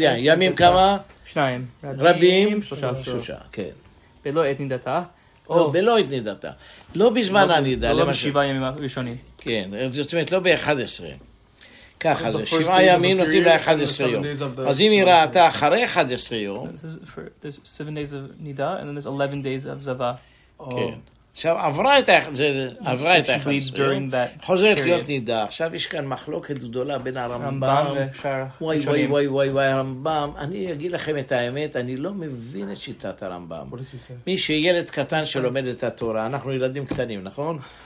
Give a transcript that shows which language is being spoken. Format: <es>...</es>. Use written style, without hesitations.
<he>לי, ימים כמה? שניים. רבים? שלושה. כן. בלא את נידתה? לא, בלא את נידתה. לא בזמן הנידה. לא בשבעה ימים הראשונים. כן, זאת אומרת, לא ב-11. ככה זה, שבעה ימים נותנים ל-11 יום. אז אם היא ראתה אחרי 11 יום...</he> <en>There's 7 days of נידה, and then there's 11 days of זבה.</en> <he>כן. עכשיו, עברה את ה-11, חוזרת להיות נידה. עכשיו יש כאן מחלוקת גדולה בין הרמב״ם. וואי, וואי, וואי, וואי, וואי, הרמב״ם. אני אגיד לכם את האמת, אני לא מבין את שיטת הרמב״ם. מי שילד קטן שלומד את התורה, אנחנו ילדים קטנים, נכון?</he>